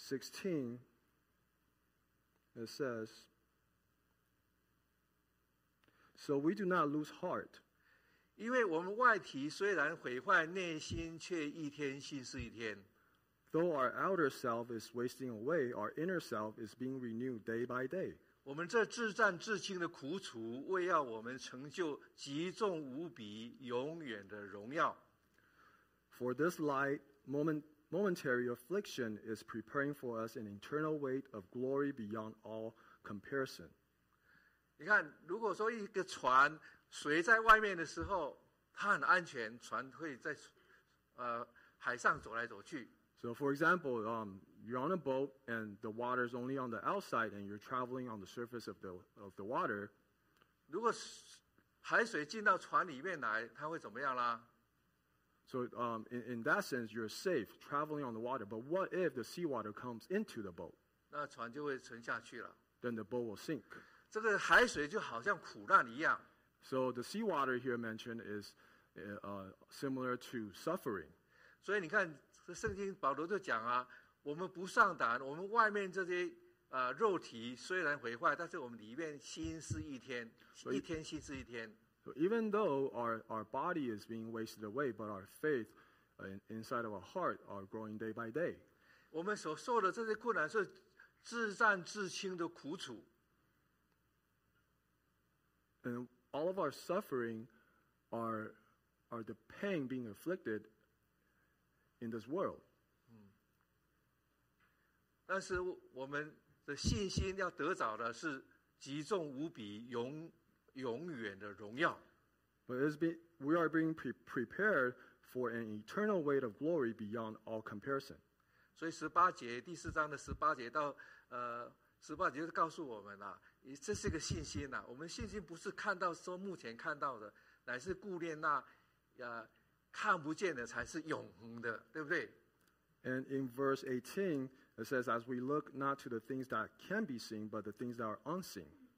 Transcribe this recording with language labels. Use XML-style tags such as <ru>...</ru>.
<en>verse 16, it says, so we do not lose heart.</en> <zh>因为我们外体虽然毁坏，内心却一天新似一天。</zh> <en>Though our outer self is wasting away, our inner self is being renewed day by day.</en> <zh>我们这自战自轻的苦楚，为要我们成就极重无比永远的荣耀。</zh> <en>For this light momentary affliction is preparing for us an eternal weight of glory beyond all comparison.</en> <zh>你看，如果说一个船水在外面的时候，它很安全，船可以在海上走来走去。</zh> <en>So for example, you're on a boat and the water is only on the outside and you're traveling on the surface of the water.</en> <zh>如果海水进到船里面来，它会怎么样啦？</zh> <en>So in that sense, you're safe traveling on the water. But what if the seawater comes into the boat?</en> <zh>那船就会沉下去了。</zh> <en>Then the boat will sink.</en> <zh>这个海水就好像苦难一样。</zh> <en>So the seawater here mentioned is similar to suffering.</en> <zh>所以你看，这圣经保罗就讲啊，我们不上胆，我们外面这些肉体虽然毁坏，但是我们里面心思一天，一天心思一天。</zh> <en>So even though our body is being wasted away, but our faith inside of our heart are growing day by day.</en> <zh>我们所受的这些困难是自战自清的苦楚。</zh> <en>And all of our suffering are the pain being afflicted in this world.</en> <zh>但是我们的信心要得着的是极重无比永远的荣耀。</zh> <en>But it's been, we are being prepared for an eternal weight of glory beyond all comparison.</en> <zh>所以十八节第四章的十八节到十八节告诉我们啊，这是个信心呐。我们信心不是看到说目前看到的，乃是顾念那看不见的才是永恒的，对不对？</zh> <en>And in verse 18, it says, as we look not to the things that can be seen, but the things that are unseen.</en>